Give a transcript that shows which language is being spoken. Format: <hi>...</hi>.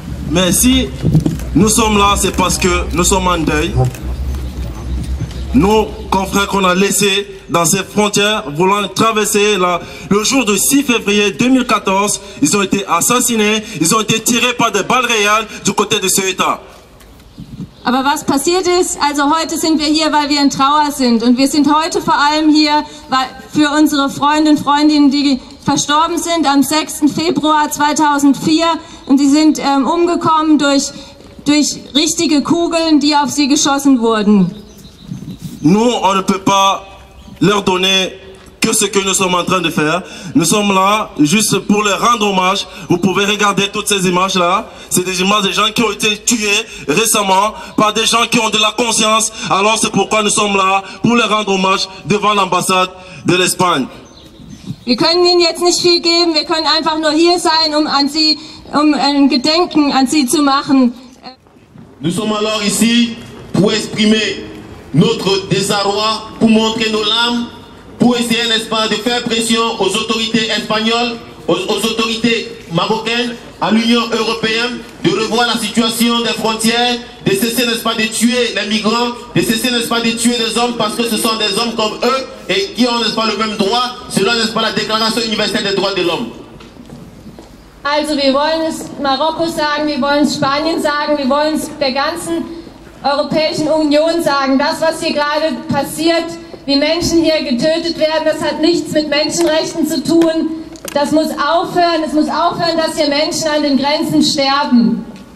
<fr>Mais si nous sommes là, c'est parce que nous sommes en deuil. Nos confrères qu'on a laissés dans ces frontières voulant traverser là, le jour du 6 février 2014, ils ont été assassinés, ils ont été tirés par des balles réelles du côté de ce État.</fr> <de>Aber was passiert ist, also heute sind wir hier, weil wir in Trauer sind. Und wir sind heute vor allem hier, weil für unsere Freunde und Freundinnen, die verstorben sind am 6. Februar 2004. Und sie sind umgekommen durch richtige Kugeln, die auf sie geschossen wurden.</de> <fr>Nous, on ne peut pas leur donner que ce que nous sommes en train de faire. Nous sommes là juste pour leur rendre hommage. Vous pouvez regarder toutes ces images-là. C'est des images des gens qui ont été tués récemment par des gens qui ont de la conscience. Alors c'est pourquoi nous sommes là, pour leur rendre hommage devant l'ambassade de l'Espagne.</fr> <de>Wir können ihnen jetzt nicht viel geben, wir können einfach nur hier sein, um ein Gedenken an sie zu machen.</de> <fr>Nous sommes alors ici pour exprimer notre désarroi, pour montrer nos larmes, pour essayer, n'est-ce pas, de faire pression aux autorités espagnoles, aux autorités marocaines, à l'Union européenne, de revoir la situation des frontières, de cesser, n'est-ce pas, de tuer les migrants, de cesser, n'est-ce pas, de tuer les hommes, parce que ce sont des hommes comme eux et qui ont, n'est-ce pas, le même droit, selon, n'est-ce pas, la Déclaration universelle des droits de l'homme.</fr> <de>Also, wir wollen es Marokko sagen, wir wollen es Spanien sagen, wir wollen es der ganzen Europäischen Union sagen. Das, was hier gerade passiert, wie Menschen hier getötet werden, das hat nichts mit Menschenrechten zu tun. Das muss aufhören. Es muss aufhören, dass hier Menschen an den Grenzen sterben.</de>